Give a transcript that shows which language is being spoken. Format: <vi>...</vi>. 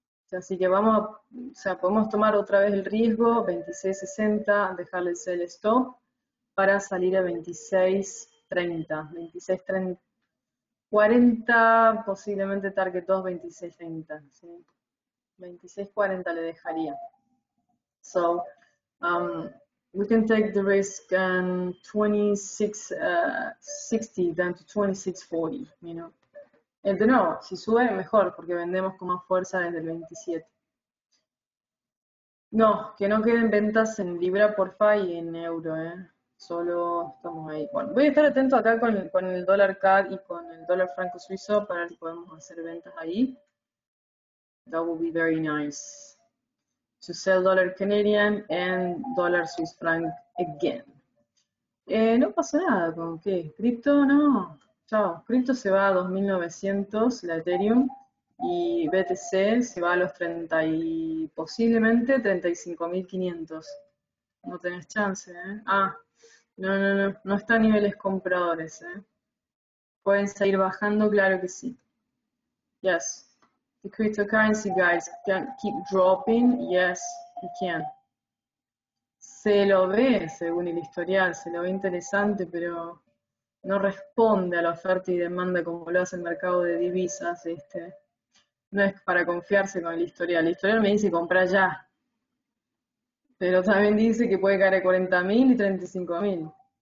<es>Así que vamos, o sea, podemos tomar otra vez el riesgo, 26.60, dejarle el sell stop, para salir a 26.30, 26.30, 40, posiblemente target 2, 26.30, ¿sí? 26.40 le dejaría.</es> <en>So, we can take the risk and 26.60, down to 26.40, you know.</en> <es>De nuevo, si sube, mejor, porque vendemos con más fuerza desde el 27. No, que no queden ventas en libra, porfa, y en euro, ¿eh? Solo estamos ahí. Bueno, voy a estar atento acá con el dólar CAD y con el dólar franco suizo para ver si podemos hacer ventas ahí.</es> <en>That would be very nice. To sell dollar Canadian and dollar Swiss franc again.</en> <es>No pasó nada, ¿con qué? ¿Cripto? No. Chao, cripto se va a 2.900, la Ethereum, y BTC se va a los 30 y posiblemente 35.500. No tenés chance, ¿eh? Ah, no, no, no, no está a niveles compradores, ¿eh? ¿Pueden seguir bajando? Claro que sí.</es> <en>Yes, the cryptocurrency guys can keep dropping, yes, you can.</en> <es>Se lo ve, según el historial, se lo ve interesante, pero no responde a la oferta y demanda como lo hace el mercado de divisas, este. No es para confiarse con el historial. El historial me dice comprar ya. Pero también dice que puede caer a 40.000 y 35.000.</es>